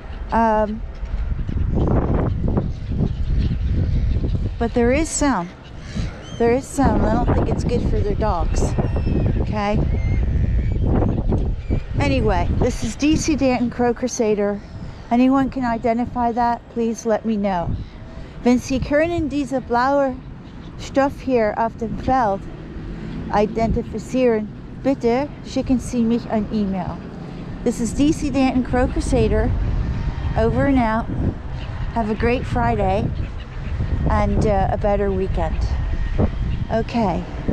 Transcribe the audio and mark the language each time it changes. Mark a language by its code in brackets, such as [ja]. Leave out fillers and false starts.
[en] But there is some. There is some. I don't think it's good for their dogs. Okay. Anyway, this is DC Danton Crow Crusader. Anyone can identify that, please let me know. [de] Wenn Sie können diese blaue Stoff hier auf dem Feld identifizieren, bitte schicken Sie mich ein E-Mail. [en] This is DC Danton Crow Crusader. Over and out. Have a great Friday and a better weekend. Okay.